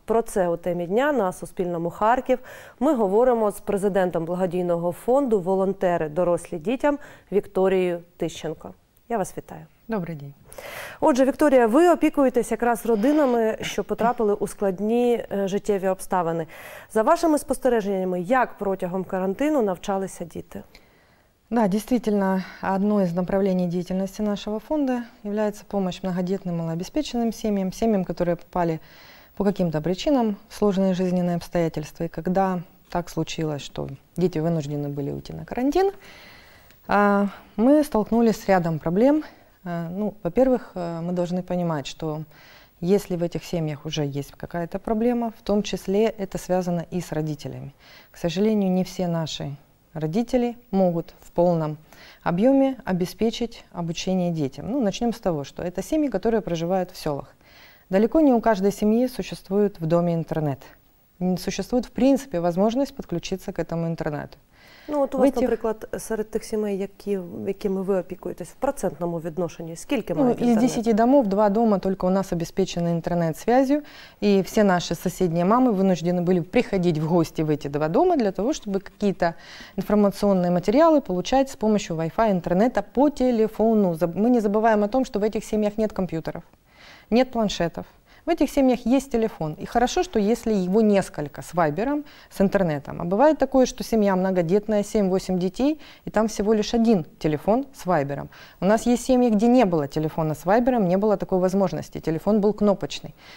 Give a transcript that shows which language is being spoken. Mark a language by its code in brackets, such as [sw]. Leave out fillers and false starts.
[uk] Про це у темі дня на Суспільному Харків ми говоримо з президентом благодійного фонду «Волонтери дорослі дітям» Вікторією Тищенко. Я вас вітаю. Добрий день. Отже, Вікторія, ви опікуєтесь якраз родинами, що потрапили у складні життєві обставини. За вашими спостереженнями, як протягом карантину навчалися діти? [ru] Да, действительно, одно из направлений деятельности нашего фонда является помощь многодетным малообеспеченным семьям, семьям, которые попали по каким-то причинам в сложные жизненные обстоятельства. И когда так случилось, что дети вынуждены были уйти на карантин, мы столкнулись с рядом проблем. Ну, во-первых, мы должны понимать, что если в этих семьях уже есть какая-то проблема, в том числе это связано и с родителями. К сожалению, не все наши родители могут в полном объеме обеспечить обучение детям. Ну, начнем с того, что это семьи, которые проживают в селах. Далеко не у каждой семьи существует в доме интернет. Не существует, в принципе, возможность подключиться к этому интернету. [uk] Ну, от у вас, наприклад, серед тих сімей, якими ви опікуєтесь, в процентному відношенні, скільки мають інтернет? Ну, із 10 домів, 2 дома тільки у нас обезпечені інтернет-зв'язю, і всі наші сусідні мами вынуждены були приходити в гості в ці 2 дома для того, щоб якісь інформаційні матеріали отримати з допомогою Wi-Fi, інтернету по телефону. Ми не забуваємо про те, що в цих сім'ях немає комп'ютерів, немає планшетів. [ru] В этих семьях есть телефон, и хорошо, что если его несколько, с вайбером, с интернетом. А бывает такое, что семья многодетная, 7-8 детей, и там всего лишь один телефон с вайбером. У нас есть семьи, где не было телефона с вайбером, не было такой возможности, телефон был кнопочный.